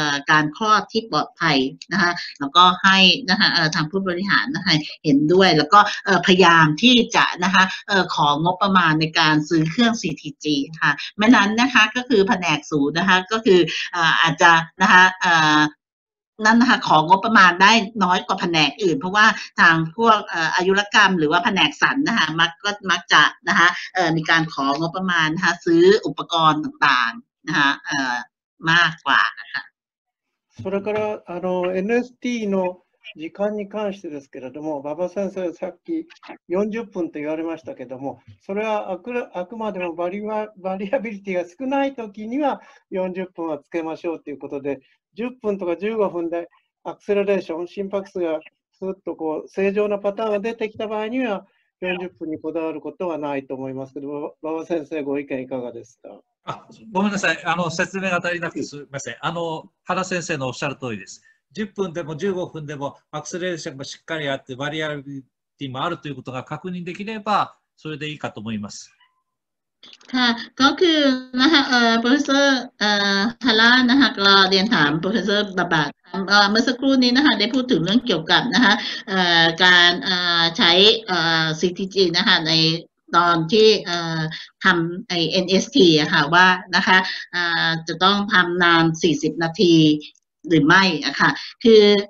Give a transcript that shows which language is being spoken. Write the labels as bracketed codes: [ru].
[th] การคลอดที่ปลอดภัยนะคะแล้วก็ให้นะคะทางผู้บริหารนะคะเห็นด้วยแล้วก็พยายามที่จะนะคะของบประมาณในการซื้อเครื่อง CTG ค่ะแม้นั้นนะคะก็คือแผนกศูนย์นะคะก็คืออาจจะนะคะ นั่นนะคะของบประมาณได้น้อยกว่าแผนกอื่นเพราะว่าทางพวกอายุรกรรมหรือว่าแผนกสันนะคะมักจะนะคะมีการของบประมาณนะคะซื้ออุปกรณ์ต่างๆนะคะมากกว่านะคะ [ja] それからNST の時間に関してですけれども、馬場先生さっき40分と言われましたけども、それはあくまでもバリアビリティが少ない時には40分はつけましょうということで、10分とか15分でアクセラレーション、心拍数がスッとこう正常なパターンが出てきた場合には40分にこだわることはないと思いますけど、馬場先生ご意見いかがですか。ごめんなさい、説明が足りなくてすみません。原先生のおっしゃる通りです。 10分でも15分でもアクセラレーションもしっかりあってバリアビリティもあるということが確認できればそれでいいかと思います。 [th] ค่ะก็คือนะคะโปรเฟสเซอร์ฮาร์ลันนะคะก็เรียนถามโปรเฟสเซอร์บาบาเมื่อสักครู่นี้นะคะได้พูดถึงเรื่องเกี่ยวกับนะคะการใช้CTG นะคะในตอนที่ทำไอ้ NST อะค่ะว่านะคะจะต้องทำนาน40นาทีหรือไม่อะค่ะคือ